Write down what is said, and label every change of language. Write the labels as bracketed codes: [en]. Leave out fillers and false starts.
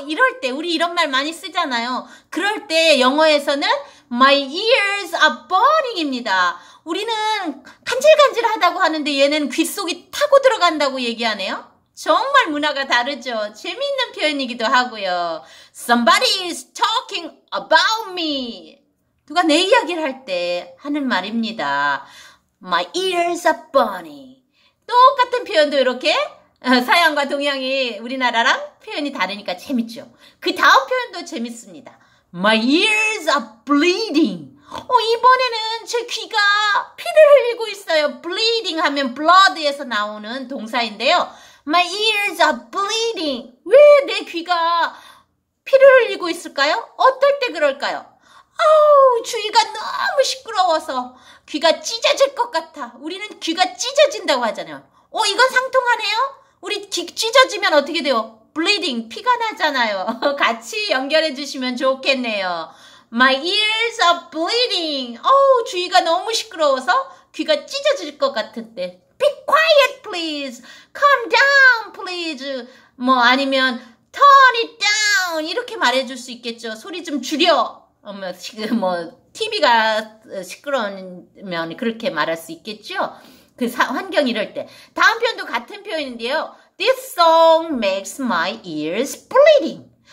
[ko] 이럴 때 우리 이런 말 많이 쓰잖아요. 그럴 때 영어에서는 [en] My ears are burning [ko] 입니다. 우리는 간질간질하다고 하는데 얘는 귓속이 타고 들어간다고 얘기하네요. 정말 문화가 다르죠. 재미있는 표현이기도 하고요. [en] Somebody is talking about me. [ko] 누가 내 이야기를 할 때 하는 말입니다. [en] My ears are burning. [ko] 똑같은 표현도 이렇게 서양과 동양이 우리나라랑 표현이 다르니까 재밌죠. 그 다음 표현도 재밌습니다. [en] My ears are bleeding. [ko] 이번에는 제 귀가 피를 흘리고 있어요. Bleeding 하면 blood에서 나오는 동사인데요. [en] My ears are bleeding. [ko] 왜 내 귀가 피를 흘리고 있을까요? 어떨 때 그럴까요? 주위가 너무 시끄러워서 귀가 찢어질 것 같아. 우리는 귀가 찢어진다고 하잖아요. 이건 상통하네요. 우리 귀 찢어지면 어떻게 돼요? Bleeding, 피가 나잖아요. 같이 연결해 주시면 좋겠네요. [en] My ears are bleeding. [ko] 주위가 너무 시끄러워서 귀가 찢어질 것 같은데. [en] Be quiet, please. Calm down, please. [ko] 뭐 아니면 [en] turn it down. [ko] 이렇게 말해줄 수 있겠죠. 소리 좀 줄여. 지금 뭐 TV가 시끄러우면 그렇게 말할 수 있겠죠. 그 환경 이럴 때. 다음 표현도 같은 표현인데요. [en] This song makes my ears bleeding.